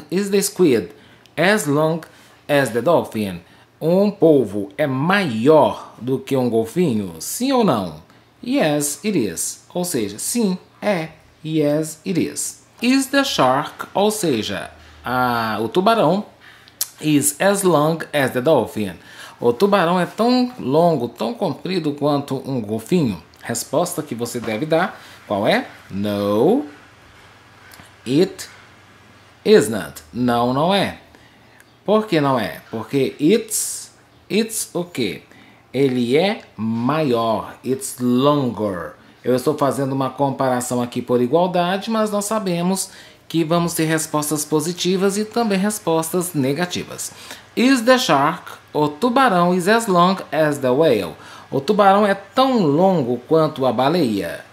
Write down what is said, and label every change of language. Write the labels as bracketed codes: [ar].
[en] Is the squid as long as the dolphin? [pt] Um polvo é maior do que um golfinho? Sim ou não? [en] Yes, it is. [pt] Ou seja, sim, é. [en] Yes, it is. Is the shark, [pt] ou seja, o tubarão, [en] is as long as the dolphin? [pt] O tubarão é tão longo, tão comprido quanto um golfinho? Resposta que você deve dar, qual é? [en] No, it is not. [pt] Não, não é. Por que não é? Porque it's o quê? Ele é maior, [en] it's longer. [pt] Eu estou fazendo uma comparação aqui por igualdade, mas nós sabemos que vamos ter respostas positivas e também respostas negativas. [en] Is the shark, [pt] o tubarão, [en] is as long as the whale? [pt] O tubarão é tão longo quanto a baleia?